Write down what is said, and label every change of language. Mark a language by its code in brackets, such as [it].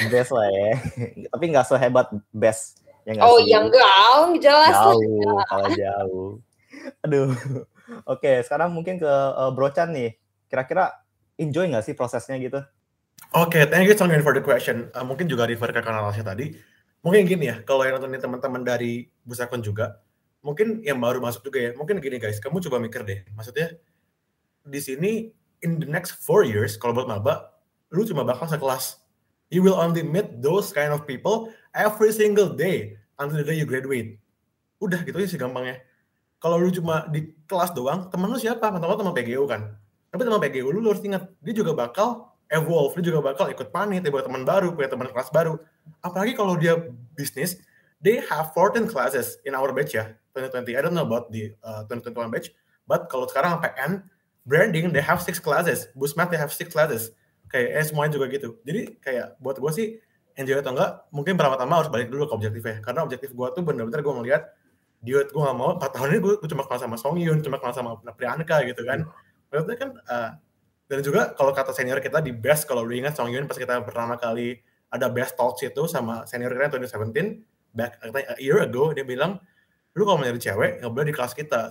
[id] Best lah ya. Tapi gak sehebat best. Ya gak sih? Yang gaung jelas. Jauh. Aduh. Oke, okay, sekarang mungkin ke Bro Chan nih. Kira-kira enjoy gak sih prosesnya gitu? [en] Oke, okay, thank you so much for the question. [id] Mungkin juga refer ke kanal Asya tadi. Mungkin gini ya, kalau yang nontonin teman-teman dari Busakon juga, mungkin yang baru masuk juga ya, mungkin gini guys, kamu coba mikir deh. Maksudnya, di sini, [en] in the next 4 years, [id] kalau buat maba, lu cuma bakal sekelas. [en] You will only meet those kind of people every single day until the day you graduate. [id] Udah gitu aja sih gampangnya. Kalau lu cuma di kelas doang, teman lu siapa? Teman-teman teman PGU kan? Tapi teman PGU lu harus ingat, dia juga bakal evolve, dia juga bakal ikut panit, dia buat teman baru, punya teman kelas baru. Apalagi kalau dia bisnis, [en] they have 14 classes in our batch ya, 2020. I don't know about the 2021 batch, but [id] kalau sekarang sampai end, [en] branding, they have 6 classes. Busmat, they have 6 classes. [id] Kayak semuanya juga gitu. Jadi kayak buat gue sih, enjoy atau enggak, mungkin pertama-tama harus balik dulu ke objektifnya. Karena objektif gue tuh benar-benar gue ngeliat, diet gue gak mau, 4 tahun ini gue cuma kenal sama Song Yun, cuma kenal sama Priyanka gitu kan. Maksudnya kan, dan juga kalau kata senior kita di best, kalau lu ingat Song Yun pas kita pertama kali ada best talks itu sama senior kita 2017, [en] back a year ago, [id] dia bilang, lu kalau mau nyari cewek, gak boleh di kelas kita.